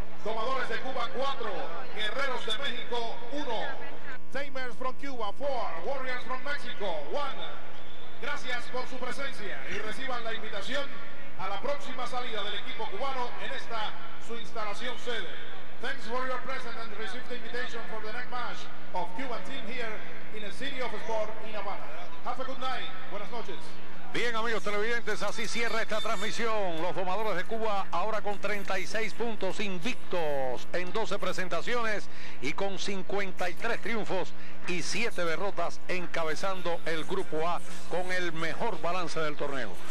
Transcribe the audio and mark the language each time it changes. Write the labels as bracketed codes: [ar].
[es] Tomadores de Cuba, 4. Guerreros de México, 1. [en] Tamers from Cuba, 4. Warriors from Mexico, 1. [es] Gracias por su presencia y reciban la invitación a la próxima salida del equipo cubano en esta, su instalación sede. [en] Thanks for your presence and receive the invitation for the next match of Cuban team here in the City of Sport in Havana. Have a good night. [es] Buenas noches. Bien, amigos televidentes, así cierra esta transmisión. Los tomadores de Cuba ahora con 36 puntos invictos en 12 presentaciones y con 53 triunfos y 7 derrotas encabezando el grupo A con el mejor balance del torneo.